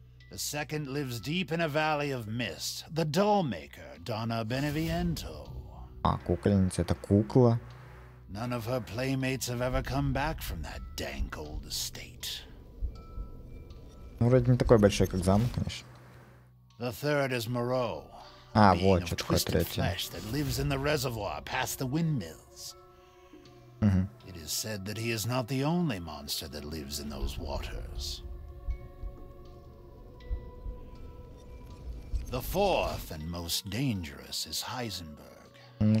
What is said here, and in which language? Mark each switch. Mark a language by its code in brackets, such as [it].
[en] The second lives deep in a valley of mist, the dollmaker Donna Beneviento. [ru] А кукольница это кукла. [en] None of her playmates have ever come back from that dank old estate. [ru] Ну, вроде не такой большой, как замок, конечно. [en] The third is Moreau. [ru] А вот что такое третье. [en] That lives in the reservoir past the windmills. It is said that he is not the only monster that lives in those waters. The fourth and most dangerous is Heisenberg.